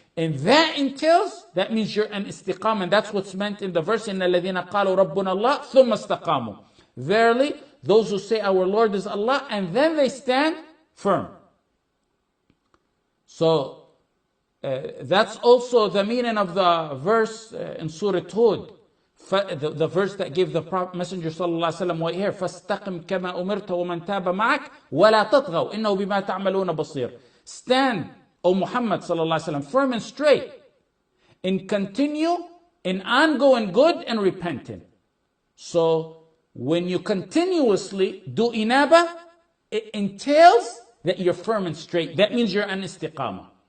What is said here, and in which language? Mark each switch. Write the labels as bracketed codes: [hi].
[en] And that entails, that means you're an istiqamah. And that's what's meant in the verse, [ar] إِنَّ الَّذِينَ قَالُوا رَبُّنَ اللَّهُ ثُمَّ اسْتَقَامُوا. [en] Verily, those who say our Lord is Allah, and then they stand firm. So, that's also the meaning of the verse in Surah Hud. The verse that gave the Messenger sallallahu alaihi wasallam right here, [ar] فَاسْتَقِمْ كَمَا أُمِرْتَ وَمَنْ تَابَ مَعَكْ وَلَا تَطْغَوْا إِنَّهُ بِمَا تَعْمَلُونَ بَصِيرٌ. [en] Stand, O Muhammad sallallahu alaihi wasallam, firm and straight, and continue in ongoing good and repenting. So, when you continuously do inaba, it entails that you're firm and straight. That means you're an istiqamah.